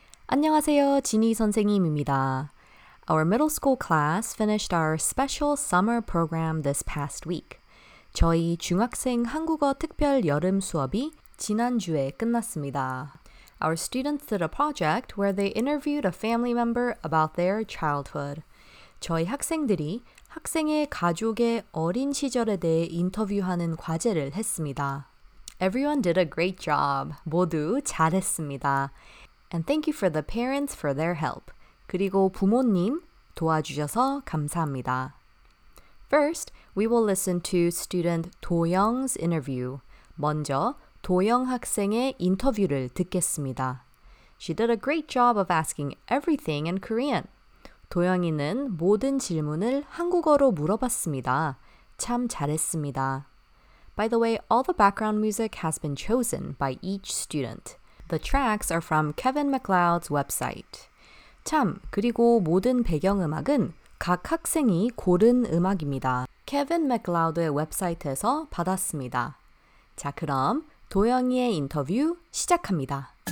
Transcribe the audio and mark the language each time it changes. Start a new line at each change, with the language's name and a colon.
Korean: 안녕하세요, 지니 선생님입니다.
English: Our middle school class finished our special summer program this past week.
Korean: 저희 중학생 한국어 특별 여름 수업이 지난주에 끝났습니다.
English: Our students did a project where they interviewed a family member about their childhood.
Korean: 저희 학생들이 학생의 가족의 어린 시절에 대해 인터뷰하는 과제를 했습니다.
English: Everyone did a great job.
Korean: 모두 잘했습니다.
English: And thank you for the parents for their help.
Korean: 그리고 부모님 도와주셔서 감사합니다.
English: First, we will listen to student 도영's interview.
Korean: 먼저 도영 학생의 인터뷰를 듣겠습니다.
English: She did a great job of asking everything in Korean.
Korean: 도영이는 모든 질문을 한국어로 물어봤습니다. 참 잘했습니다.
English: By the way, all the background music has been chosen by each student. The tracks are from Kevin MacLeod's website.
Korean: 참, 그리고 모든 배경음악은 각 학생이 고른 음악입니다. Kevin MacLeod의 웹사이트에서 받았습니다. 자, 그럼 도영이의 인터뷰 시작합니다.